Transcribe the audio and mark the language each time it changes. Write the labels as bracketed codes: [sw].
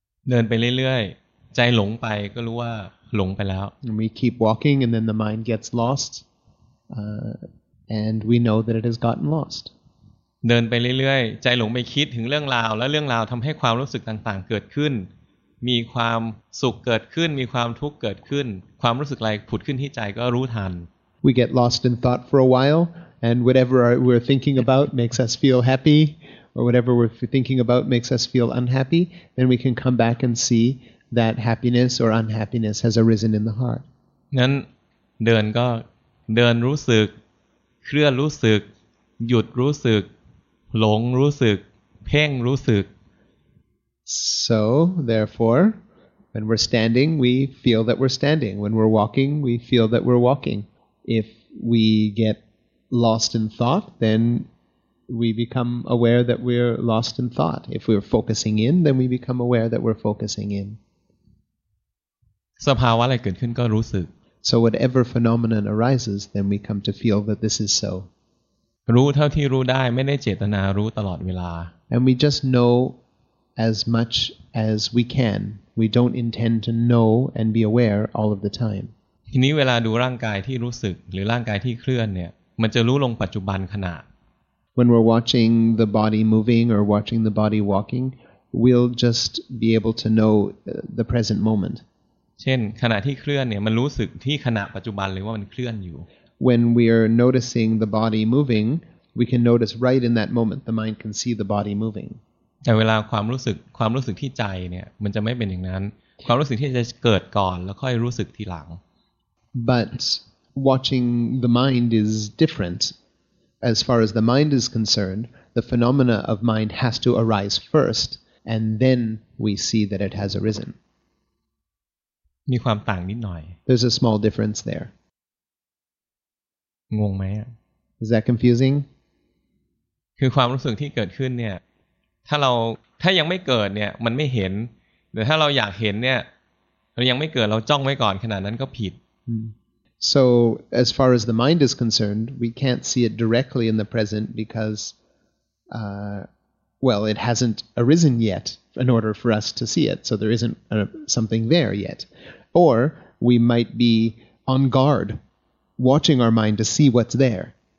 [th] เดินไปเรื่อยๆใจหลงไปก็รู้ว่าหลงไปแล้ว [en] and we keep walking and then the mind gets lost and we know that it has gotten lost [th] เดินไปเรื่อยๆใจหลงไปคิดถึงเรื่องราวแล้วเรื่องราวทำให้ความรู้สึกต่างๆเกิดขึ้นมีความสุขเกิดขึ้นมีความทุกข์เกิดขึ้นความรู้สึกอะไรผุดขึ้นที่ใจก็รู้ทัน [en] we get lost in thought for a while and whatever we're thinking about makes us feel happy or whatever we're thinking about makes us feel unhappy then we can come back and seeThat happiness or unhappiness has arisen in the heart. [th] งั้นเดินก็เดินรู้สึกเคลื่อนรู้สึกหยุดรู้สึกหลงรู้สึกเพ่งรู้สึก [en] So therefore, when we're standing, we feel that we're standing. When we're walking, we feel that we're walking. If we get lost in thought, then we become aware that we're lost in thought. If we're focusing in, then we become aware that we're focusing in. [th] สภาวะอะไรเกิดขึ้นก็รู้สึก [en] So whatever phenomenon arises then we come to feel that this is so [th] รู้เท่าที่รู้ได้ไม่ได้เจตนารู้ตลอดเวลา [en] And we just know as much as we can we don't intend to know and be aware all of the time [th] ทีนี้เวลาดูร่างกายที่รู้สึกหรือร่างกายที่เคลื่อนเนี่ยมันจะรู้ลงปัจจุบันขณะ [en] When we're watching the body moving or watching the body walking we'll just be able to know the present moment [th] เช่นขณะที่เคลื่อนเนี่ยมันรู้สึกที่ขณะปัจจุบันเลยว่ามันเคลื่อนอยู่ [en] When we are noticing the body moving we can notice right in that moment the mind can see the body moving [th] แต่เวลาความรู้สึกที่ใจเนี่ยมันจะไม่เป็นอย่างนั้นความรู้สึกที่จะเกิดก่อนแล้วค่อยรู้สึกทีหลัง [en] But watching the mind is different as far as the mind is concerned the phenomena of mind has to arise first and then we see that it has arisen [th] มีความต่างนิดหน่อย [en] There's a small difference there. [th] งงไหม [en] Is that confusing? [th] คือความรู้สึกที่เกิดขึ้นเนี่ยถ้ายังไม่เกิดเนี่ยมันไม่เห็นหรือถ้าเราอยากเห็นเนี่ยเรายังไม่เกิดเราจ้องไว้ก่อนขนาดนั้นก็ผิด hmm. [en] So as far as the mind is concerned, we can't see it directly in the present because, well, it hasn't arisen yet in order for us to see it. So there isn't something there yet. Or we might be on guard, watching our mind to see what's there.